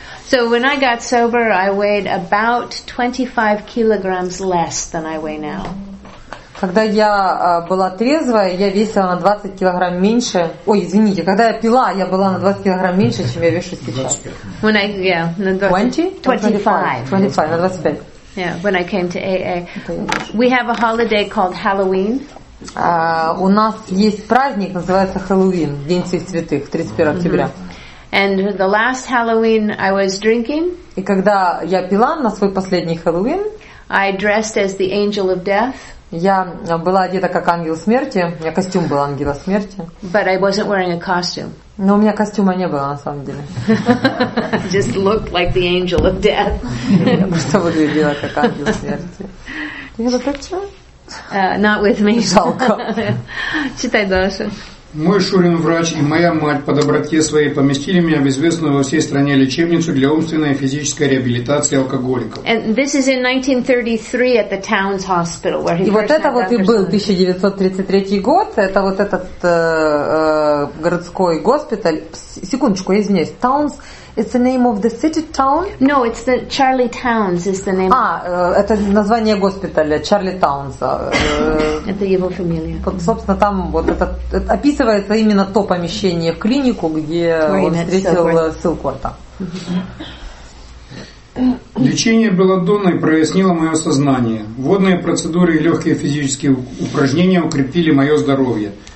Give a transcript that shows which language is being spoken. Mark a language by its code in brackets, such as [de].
[en] So when I got sober, I weighed about 25 kilograms less than I weigh now. [ru] Когда я была трезвая, я весила на 20 килограмм меньше. Ой, извините, когда я пила, я была на 20 килограмм меньше, чем я вешу сейчас. [en] When I, yeah, 25. [ru] На 25. [en] Yeah, when I came to AA. We have a holiday called Halloween. [ru] У нас есть праздник, называется Хэллоуин, День всех святых, 31 октября. [en] And the last Halloween I was drinking. [ru] И когда я пила на свой последний Хэллоуин, [en] I dressed as the angel of death. [ru] Я была одета как ангел смерти. У меня костюм был ангела смерти. [en] But I wasn't wearing a costume. [ru] Но у меня костюма не было на самом деле. [en] Just looked like the angel of death. [ru] Я просто выглядела как ангел смерти. Я говорю, так что? [en] Not with me. [ru] Жалко. Читай дальше. Мой шурин врач и моя мать по доброте своей поместили меня в известную во всей стране лечебницу для умственной и физической реабилитации алкоголиков. [en] And this is in 1933 at the town's hospital where he. [ru] И вот это вот и был 1933 год. Это вот этот городской госпиталь. Секундочку, я извиняюсь. [en] Towns. It's the name of the city town? No, it's the Charlie Towns is the name. [ru] А, это название госпиталя Charlie Towns. Это его фамилия. Собственно, там вот это описывается именно то помещение в клинику, где он встретил Силкорта. Лечение белладонны прояснило мое сознание. Водные процедуры и легкие физические упражнения укрепили мое здоровье.